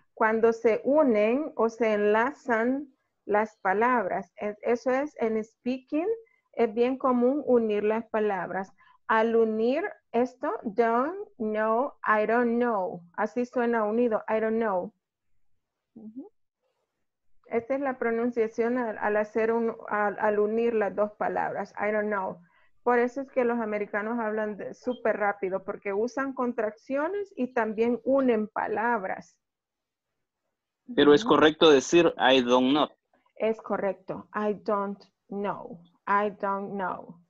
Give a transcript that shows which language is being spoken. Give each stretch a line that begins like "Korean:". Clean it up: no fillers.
Spanish: Cuando se unen o se enlazan las palabras. Eso es en speaking. Es bien común unir las palabras. Al unir esto,
English: don't know, I don't know.
Spanish: Así suena unido,
English: I don't know.
Spanish: Esta es la pronunciación al hacer un, al unir las dos palabras,
English: I don't know.
Spanish: Por eso es que los americanos hablan súper rápido, porque usan contracciones y también unen palabras. Pero es correcto decir,
English: I don't know.
Spanish: Es correcto,
English: I don't know, I don't know.